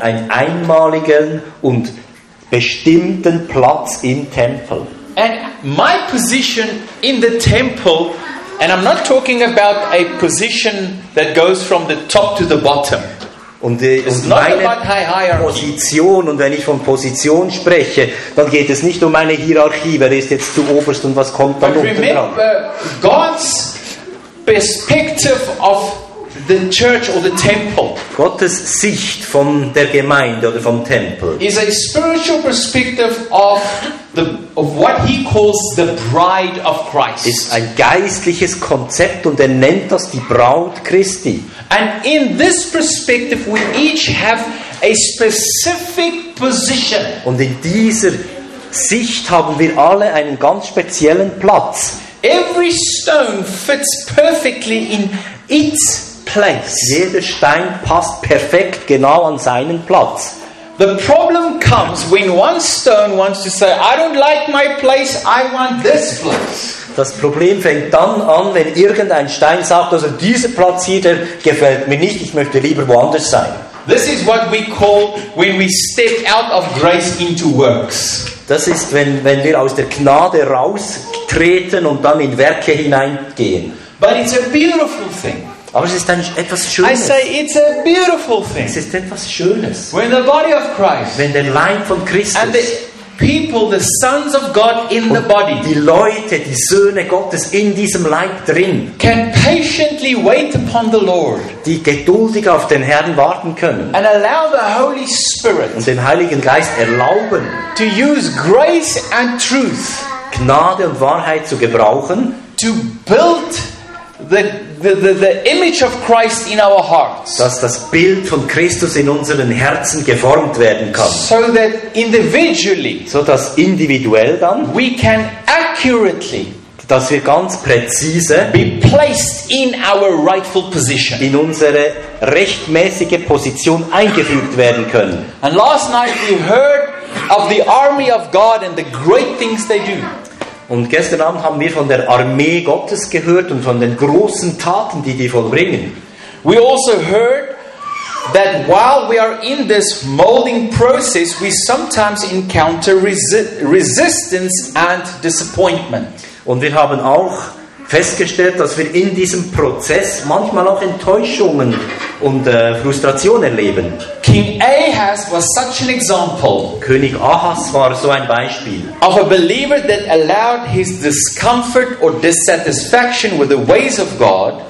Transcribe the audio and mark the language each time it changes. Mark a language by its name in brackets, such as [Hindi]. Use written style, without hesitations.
[German] Einen einmaligen und bestimmten Platz im Tempel. [English] And my position in the temple, and I'm not talking about a position that goes from the top to the bottom. [German] Und meine Position, und wenn ich von Position spreche, dann geht es nicht um eine Hierarchie, wer ist jetzt zu oberst und was kommt dann unten dran. [English] God's perspective of the church or the temple. [German] Gottes Sicht von der Gemeinde oder vom Tempel. [English] Is a spiritual perspective of the of what he calls the bride of Christ. [German] Ist ein geistliches Konzept und er nennt das die Braut Christi. [English] And in this perspective we each have a specific position. [German] Und in dieser Sicht haben wir alle einen ganz speziellen Platz. [English] Every stone fits perfectly in its place. [German] Jeder Stein passt perfekt genau an seinen Platz. [English] The problem comes when one stone wants to say, I don't like my place, I want this place. [German] Das Problem fängt dann an, wenn irgendein Stein sagt, also dieser Platz hier, der gefällt mir nicht, ich möchte lieber woanders sein. [English] This is what we call when we step out of grace into works. [German] Das ist, wenn wir aus der Gnade raustreten und dann in Werke hineingehen. [English] But it's a beautiful thing. [German] Aber es ist dann etwas Schönes. [English] I say it's a beautiful thing. [German] Es ist etwas Schönes. [English] When the body of Christ, [German] wenn der Leib von Christus [English] and the people, the sons of God in the body, [German] die Leute, die Söhne Gottes in diesem Leib drin, [English] can patiently wait upon the Lord, [German] die geduldig auf den Herrn warten können, [English] and allow the Holy Spirit, [German] und den Heiligen Geist erlauben, [English] to use grace and truth, [German] Gnade und Wahrheit zu gebrauchen, [English] to build the image of Christ in our hearts, [German] dass das Bild von Christus in unseren Herzen geformt werden kann, [English] so that individually, [German] so dass individuell dann, [English] we can accurately, [German] dass wir ganz präzise, [English] be placed in our rightful position, [German] in unsere rechtmäßige Position eingefügt werden können. [English] And last night we heard of the army of God and the great things they do. [German] Und gestern Abend haben wir von der Armee Gottes gehört und von den großen Taten, die die vollbringen. [English] We also heard that while we are in this molding process, we sometimes encounter resistance and disappointment. [German] Und wir haben auch festgestellt, dass wir in diesem Prozess manchmal auch Enttäuschungen und Frustration erleben. [English] King Ahaz was such an example. [German] König Ahas war so ein Beispiel. [English] Of a believer that allowed his discomfort or dissatisfaction with the ways of God.